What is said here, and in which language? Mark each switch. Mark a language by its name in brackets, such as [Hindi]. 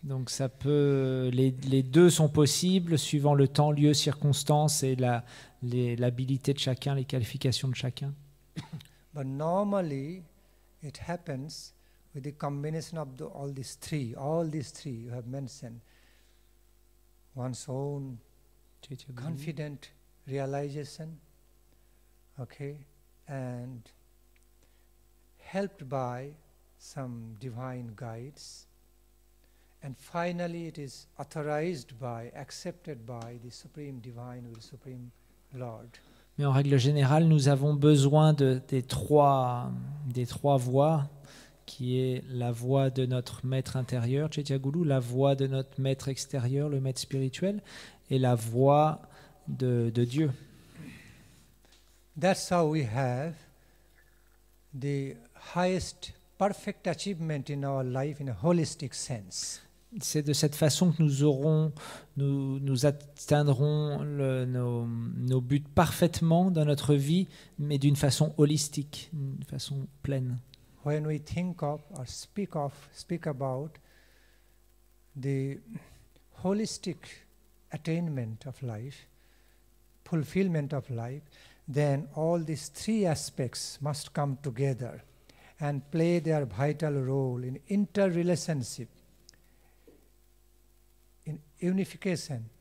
[French] Donc ça peut, les deux sont possibles suivant le temps, lieu, circonstance et l'habilité de chacun, les qualifications de chacun. [English] But normally, it happens with the combination of all these three you have mentioned. One's own confident realization, okay, and helped by some divine guides, and finally it is authorized by, accepted by the Supreme Divine or Supreme Lord. [French] Mais en règle générale, nous avons besoin des trois voies, qui est la voie de notre maître intérieur, Chetyaguru, la voie de notre maître extérieur, le maître spirituel, et la voie de Dieu. [English] That's how we have the highest perfect achievement in our life in a holistic sense. [French] C'est de cette façon que nous atteindrons nos buts parfaitement dans notre vie, mais d'une façon holistique, d'une façon pleine. [English] When we think of or speak about the holistic attainment of life, fulfillment of life, then all these three aspects must come together and play their vital role in interrelationship, in unification.